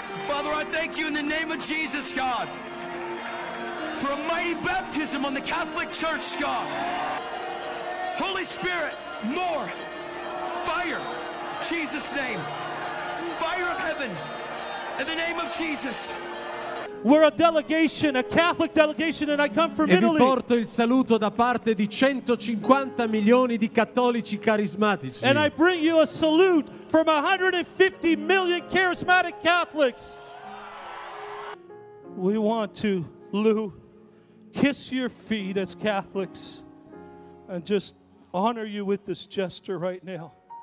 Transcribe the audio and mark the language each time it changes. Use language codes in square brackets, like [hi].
[en] Father, I thank you in the name of Jesus, God, for a mighty baptism on the Catholic Church, God. Holy Spirit, more fire, Jesus' name, fire of heaven, in the name of Jesus. We're a delegation, a Catholic delegation, and I come from Italy. [it] E vi porto il saluto da parte di 150 milioni di cattolici carismatici. [en] And I bring you a salute from 150 million charismatic Catholics. We want to, Lou, kiss your feet as Catholics and just honor you with this gesture right now.